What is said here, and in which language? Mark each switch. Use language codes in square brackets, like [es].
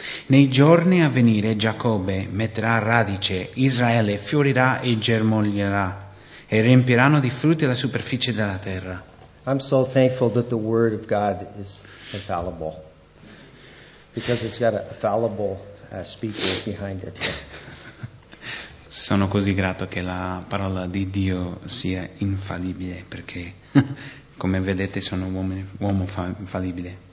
[it] Nei giorni a venire Giacobbe metterà radice, Israele fiorirà e germoglierà e riempiranno di frutti la superficie della terra. [en] I'm so thankful that the word of God is infallible because it's got a fallible speaker behind it. [it] Sono così grato che la parola di Dio sia infallibile perché come vedete sono uomo fallibile.